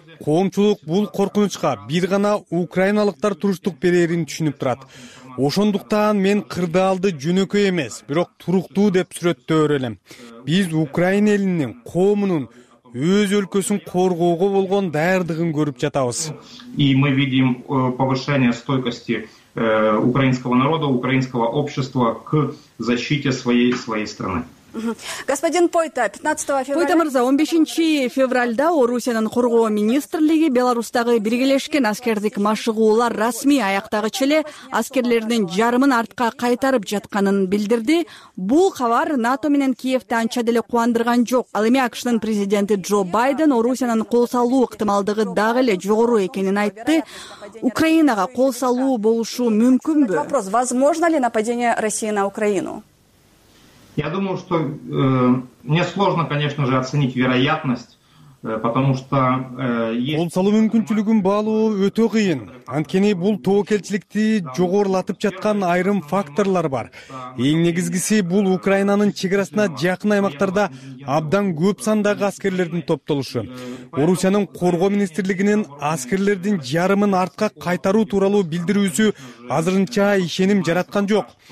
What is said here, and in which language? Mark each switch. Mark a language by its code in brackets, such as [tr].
[ky] Коомчулук бул коркунучка бир гана украиналыктар туруштук берерин түшүнүп турат. Ошондуктан мен кырдаалды жөнөкөй эмес, бирок туруктуу деп сүрөттөөр элем. Биз Украин элинин коомунун өз өлкөсүн коргоого болгон даярдыгын көрүп жатабыз. [ru] И мы видим повышение стойкости украинского народа, украинского общества к защите своей страны. Господин Пойта, 15 февраля... [ky] Пойта мырза, 15-февралда Орусиянын коргоо министрлиги Беларусьтагы биргелешкен аскердик машыгуулар расмий аяктагыч эле аскерлердин жарымын артка кайтарып жатканын билдирди. Бул кабар НАТО менен Киевти анча деле кубандырган жок. Ал эми АКШнын президенти Джо Байден Орусиянын кол салуу ыктымалдыгы дагы эле жогору экенин айтты. Украинага кол салуу болушу мүмкүнбү? [ru] Вопрос, возможно ли нападение России на Украину? Я думаю, что мне сложно, конечно же, оценить вероятность, потому что [ky] кол салуу мүмкүнчүлүгүн баалоо өтө кыйын. Анткени бул тобокелчиликти жогорулатып жаткан айрым факторлор бар. Эң негизгиси бул Украинанын чек арасына жакын аймактарда абдан көп сандагы аскерлердин топтолушу. Орусиянын коргоо министрлигинин аскерлердин жарымын артка кайтаруу тууралуу билдирүүсү азырынча ишеним жараткан жок.